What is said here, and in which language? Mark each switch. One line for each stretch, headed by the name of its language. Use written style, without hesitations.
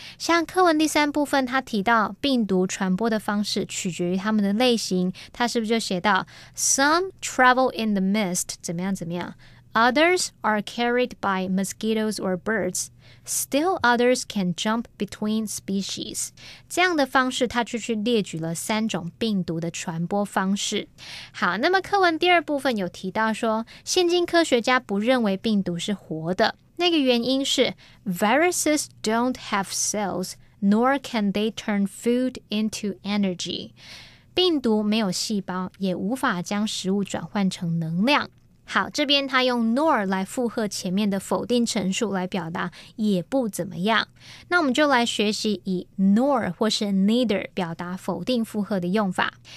Chinese: 像课文第三部分，他提到病毒传播的方式取决于它们的类型，他是不是就写到
English: some travel in the mist
Chinese: 怎么样怎么样 ，
English: others are carried by mosquitoes or birds。 Still others can jump between species.
Chinese: 这样的方式它就去列举了三种病毒的传播方式。好，那么课文第二部分有提到说，现今科学家不认为病毒是活的。那个原因是
English: Viruses don't have cells, nor can they turn food into energy.
Chinese: 病毒没有细胞，也无法将食物转换成能量。好，这边他用 nor 来附和前面的否定陈述来表达也不怎么样。那我们就来学习以 nor 或是 neither 表达否定附和的用法。